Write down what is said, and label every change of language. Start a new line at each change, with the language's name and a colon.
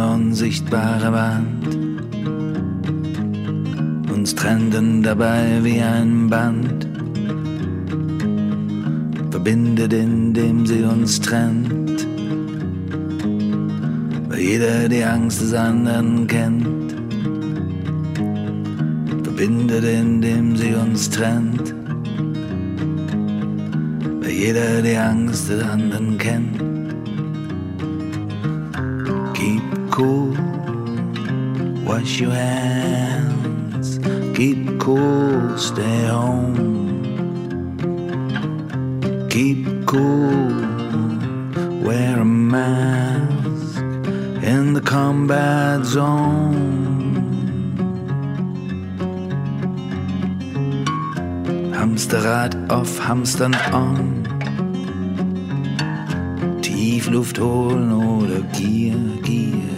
German: Sichtbare Wand uns trennten dabei wie ein Band, verbindet indem sie uns trennt, weil jeder die Angst des anderen kennt, verbindet indem sie uns trennt, weil jeder die Angst des anderen kennt.
English: Keep cool, wash your hands, keep cool, stay home. Keep cool, wear a mask in the combat zone.
German: Hamsterrad auf, Hamstern on. Tief Luft holen oder Gier, Gier.